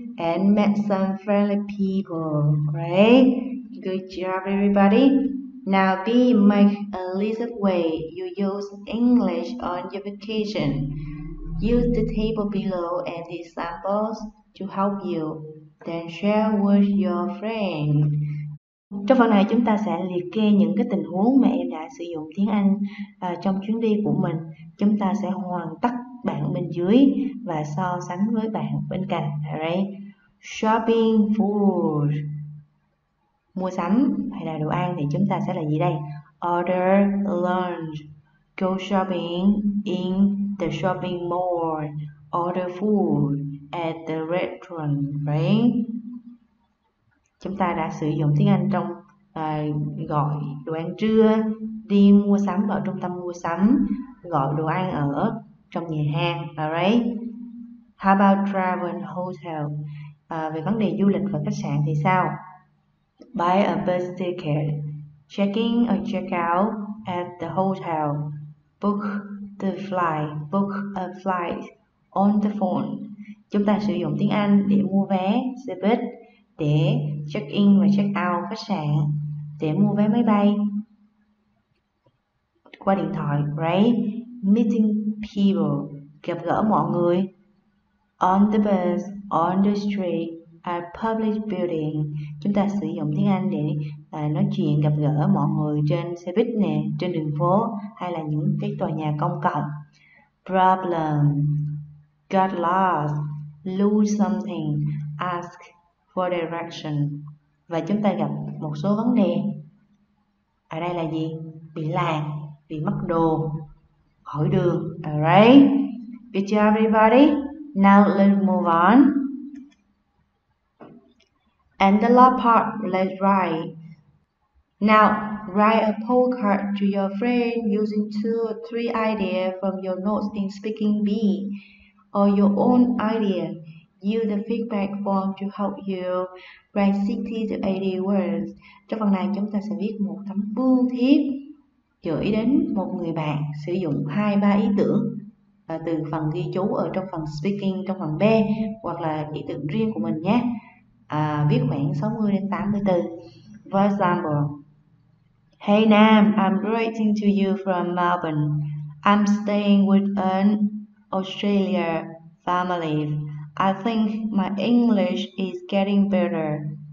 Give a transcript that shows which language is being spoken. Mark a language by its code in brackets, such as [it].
[en] And met some friendly people, right? Good job, everybody. Now, B, make a list of ways you use English on your vacation. Use the table below and the examples to help you. Then share with your friend. [vi] Trong phần này chúng ta sẽ liệt kê những cái tình huống mà em đã sử dụng tiếng Anh trong chuyến đi của mình. Chúng ta sẽ hoàn tất bạn bên dưới và so sánh với bạn bên cạnh. Alright. [en] Shopping food. [vi] Mua sắm hay là đồ ăn thì chúng ta sẽ là gì đây? [en] Order lunch. Go shopping in the shopping mall. Order food at the restaurant, right? [vi] Chúng ta đã sử dụng tiếng Anh trong gọi đồ ăn trưa, đi mua sắm vào trung tâm mua sắm, gọi đồ ăn ở trong nhà hàng, alright? [en] How about travel and hotel? [vi] Về vấn đề du lịch và khách sạn thì sao? [en] Buy a bus ticket, check in or check out at the hotel, book the flight, book a flight on the phone. [vi] Chúng ta sử dụng tiếng Anh để mua vé xe buýt, để check in và check out khách sạn, để mua vé máy bay qua điện thoại, right? [en] Meeting people, [vi] gặp gỡ mọi người. [en] On the bus, on the street, at public building. [vi] Chúng ta sử dụng tiếng Anh để nói chuyện, gặp gỡ mọi người trên xe buýt nè, trên đường phố hay là những cái tòa nhà công cộng. [en] Problem, got lost, lose something, ask for direction. [vi] Và chúng ta gặp một số vấn đề. Ở đây là gì? Bị lạc, bị mất đồ, hỏi đường. [en] Alright, good job everybody. Now let's move on. And the last part, let's write. Now, write a postcard to your friend using two or three ideas from your notes in Speaking B, or your own idea. Use the feedback form to help you write 60 to 80 words. [vi] Trong phần này, chúng ta sẽ viết một tấm bưu thiếp gửi đến một người bạn, sử dụng 2-3 ý tưởng từ phần ghi chú ở trong phần Speaking trong phần B, hoặc là ý tưởng riêng của mình nhé. Viết khoảng 60 đến 80 từ. [en] For example, hey Nam, I'm writing to you from Melbourne. I'm staying with an Australia family. I think my English is getting better.